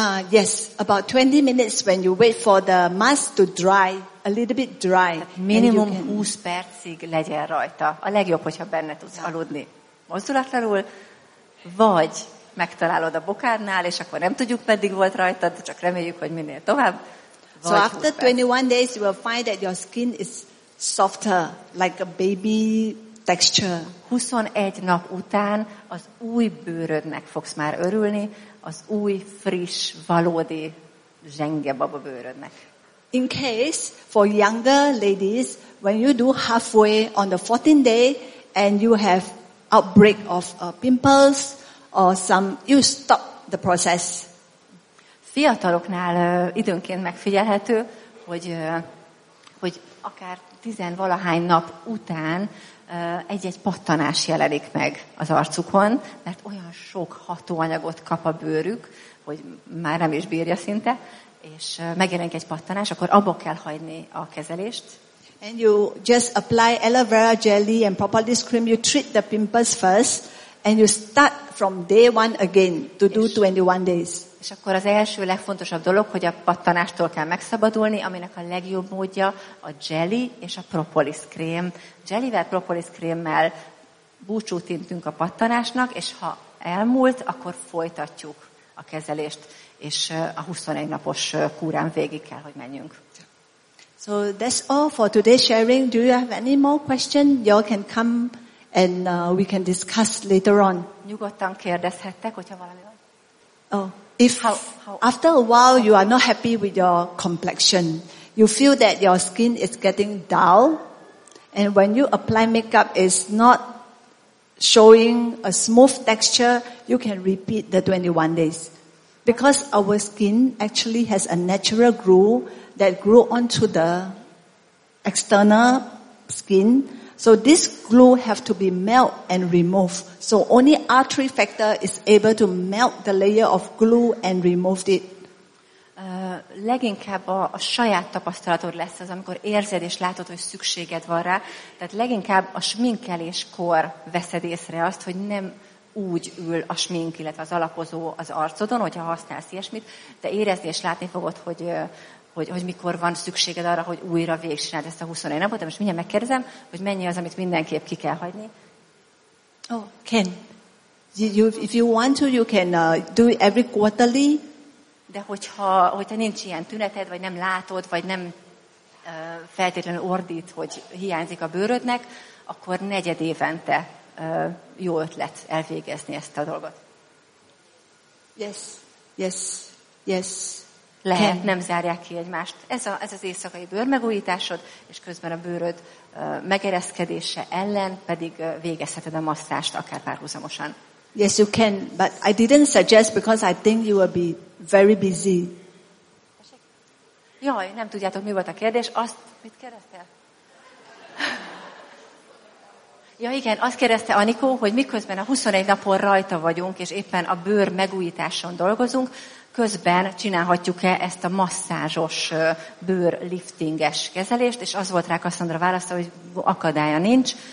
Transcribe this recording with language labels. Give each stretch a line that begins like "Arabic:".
English: Yes, about 20 minutes when you wait for the mask to dry, a little bit dry.
Hungarian: Minimum 20 percig legyen rajta. A legjobb, hogyha benne tudsz aludni mozdulatlanul, vagy megtalálod a bokádnál, és akkor nem tudjuk, meddig volt rajta, de csak reméljük, hogy minél tovább.
English: So after 21 days, you will find that your skin is softer, like a baby texture.
Hungarian: 21 nap után az új bőrödnek fogsz már örülni, az új, friss, valódi zsenge baba bőrödnek.
English: In case for younger ladies, when you do halfway on the 14th day and you have outbreak of pimples or some, you stop the process.
Hungarian: Fiataloknál időnként megfigyelhető, hogy akár 10-valahány nap után egy-egy pattanás jelenik meg az arcukon, mert olyan sok hatóanyagot kap a bőrük, hogy már nem is bírja szinte, és megjelenik egy pattanás, akkor abba kell hagyni a kezelést.
English: And you just apply aloe vera jelly and propolis cream, you treat the pimples first, and you start from day one again to do 21 days.
Hungarian: És akkor az első legfontosabb dolog, hogy a pattanástól kell megszabadulni, aminek a legjobb módja a jelly és a propolis krém. Jellyvel, propolis krémmel búcsút intünk a pattanásnak, és ha elmúlt, akkor folytatjuk a kezelést, és a 21 napos kúrán végig kell, hogy menjünk.
English: So that's all for today's sharing. Do you have any more questions? You all can come and we can discuss later on.
Hungarian: Nyugodtan kérdezhettek, hogyha valami van. Oh.
English: If after a while you are not happy with your complexion, you feel that your skin is getting dull, and when you apply makeup is not showing a smooth texture, you can repeat the 21 days. Because our skin actually has a natural glue that grew onto the external skin, so this glue have to be melt and remove. So only artery factor is able to melt the layer of glue and remove it.
Hungarian: Leginkább a saját tapasztalatod lesz az, amikor érzed és látod, hogy szükséged van rá. Tehát leginkább a sminkeléskor veszed észre azt, hogy nem úgy ül a smink, illetve az alapozó az arcodon, hogyha használsz ilyesmit, de érezni és látni fogod, hogy mikor van szükséged arra, hogy újra végigcsináld ezt a 21 napot, de most mindjárt megkérdezem, hogy mennyi az, amit mindenképp ki kell hagyni.
English: Oh, can. You, if you want to, you can do it every quarterly.
Hungarian: De hogyha nincs ilyen tüneted, vagy nem látod, vagy nem feltétlenül ordít, hogy hiányzik a bőrödnek, akkor negyed évente jó ötlet elvégezni ezt a dolgot.
English: Yes, yes, yes.
Hungarian: Lehet, nem zárják ki egymást. Ez az éjszakai bőrmegújításod, és közben a bőröd megereszkedése ellen pedig végezheted a masszást akár párhuzamosan.
English: Yes, you can, but I didn't suggest because I think you will be very busy.
Hungarian: Jaj, nem tudjátok, mi volt a kérdés. Azt, mit kérdeztél? Ja igen, azt kérdezte Anikó, hogy miközben a 21 napon rajta vagyunk, és éppen a bőr megújításon dolgozunk, közben csinálhatjuk-e ezt a masszázsos bőrliftinges kezelést, és az volt rá Kasszandra válasza, hogy akadálya nincs.